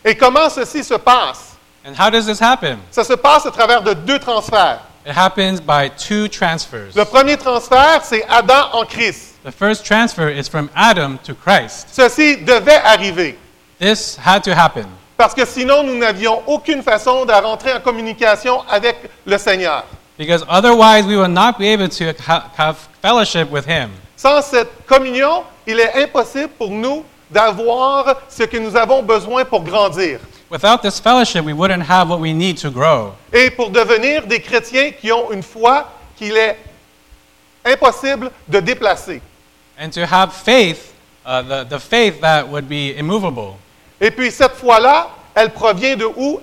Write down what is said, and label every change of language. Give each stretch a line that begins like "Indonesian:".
French: Et comment ceci se passe?
English: And how does this happen?
French: Ça se passe à travers de deux transferts.
English: It happens by two transfers.
French: Le premier transfert, c'est Adam en Christ.
English: The first transfer is from Adam to Christ.
French: Ceci devait arriver.
English: This had to happen.
French: Parce que sinon, nous n'avions aucune façon de rentrer en communication avec le Seigneur.
English: Because otherwise, we would not be able to have fellowship with him.
French: Sans cette communion, il est impossible pour nous d'avoir ce que nous avons besoin pour grandir.
English: Without this fellowship, we wouldn't have what we need to grow.
French: Et pour devenir des chrétiens qui ont une foi qu'il est impossible de déplacer.
English: And to have faith, the faith that would be immovable.
French: Et puis cette foi-là, elle provient de où?